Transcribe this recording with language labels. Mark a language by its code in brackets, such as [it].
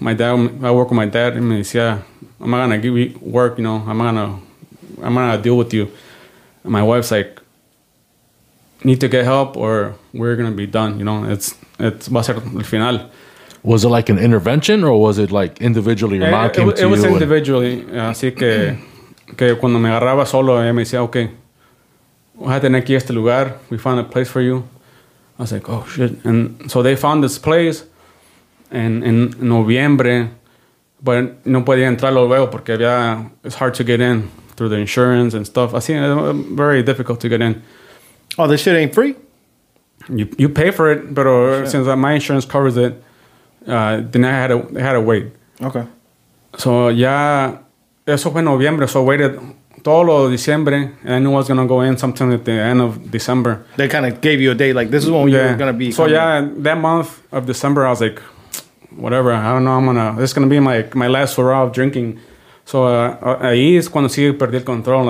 [en] My dad, I work with my dad. And he said, yeah, I'm not going to give you work, you know. I'm not gonna deal with you. And my wife's like, need to get help or we're going to be done. You know, it's [es] va a ser el final. [en] Was it like an intervention or was it like individually your mom came to you? It was individually. [es] Así que cuando me agarraba solo, ella me decía, okay, voy a tener aquí este lugar. [en] We found a place for you. I was like, oh, shit. And so they found this place in noviembre, [es] but no podía entrarlo luego porque había, [en] it's hard to get in through the insurance and stuff. Así, very difficult to get in. Oh, this shit ain't free? You pay for it, but since my insurance covers it, then I had to wait. Okay. So, [es] eso fue noviembre. [en] So, I waited [es] todo lo diciembre, [en] and I knew I was going to go in sometime at the end of December. They kind of gave you a date, like, this is when you're going to be. So, that month of December, I was like, whatever, I don't know, this is going to be my last hurrah of drinking. So, [es] ahí es cuando sí perdí el control.